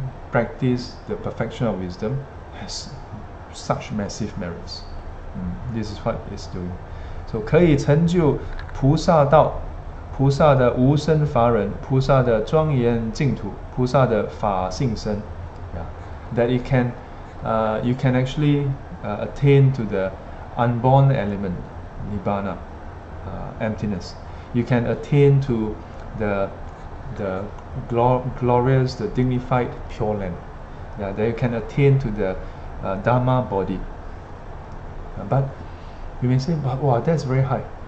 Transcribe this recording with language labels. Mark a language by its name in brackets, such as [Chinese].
[English] practice the perfection of wisdom has such massive merits. This is what it's doing. [Chinese] So 可以成就菩萨道，菩萨的无生法忍，菩萨的庄严净土，菩萨的法性身。 [English] That it can, you can actually attain to the unborn element, Nibbana, emptiness. You can attain to the glorious, the dignified pure land. Yeah, that you can attain to the Dharma body. But you may say, but wow, that's very high.